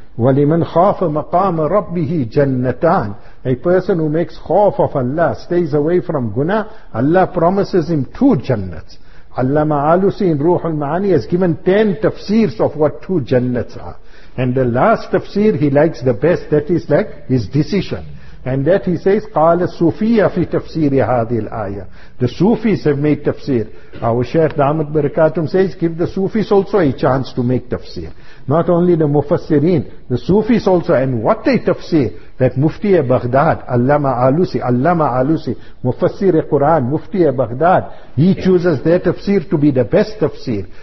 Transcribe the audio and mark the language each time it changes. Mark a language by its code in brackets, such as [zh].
[ar] وَلِمَنْ خَافَ مَقَامَ رَبِّهِ جَنَّتَانِ. [en] A person who makes khawf of Allah, stays away from guna, Allah promises him two jannats. Allama Alusi in Ruhul Maani has given 10 tafsirs of what two jannats are. And the last tafsir he likes the best, that is like his decision. And that he says, [ar] قَالَ السُّفِيَ فِي تَفْسِيرِ هَذِهِ الْآيَةِ. [en] The Sufis have made tafsir. Our Shaykh Damat Barakatum says, give the Sufis also a chance to make tafsir. Not only the Mufassireen, the Sufis also. And what a tafsir that Mufti-e-Baghdad, Allama Alusi, Mufassir-e-Quran, Mufti-e-Baghdad, he chooses their tafsir to be the best tafsir.